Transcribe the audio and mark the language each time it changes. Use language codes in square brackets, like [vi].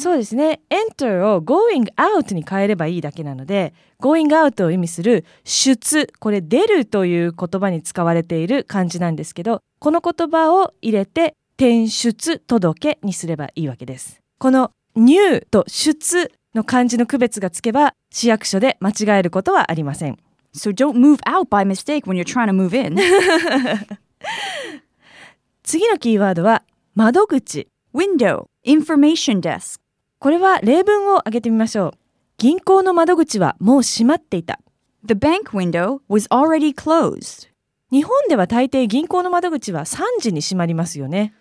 [ja] そうですね。enter を going out に変えればいいだけなので、 going out を意味する出、これ出るという言葉に使われている漢字なんですけど、この言葉を入れて転出届けにすればいいわけです。この new と出の漢字の区別がつけば市役所で間違えることはありません。 [en] So don't move out by mistake when you're trying to move in. [ja] 次のキーワードは窓口 [en] Window, information desk。 [ja] これは例文を挙げてみましょう。銀行の窓口はもう閉まっていた。 [en] The bank window was already closed。 [ja] 日本では大抵銀行の窓口は3時に閉まりますよね。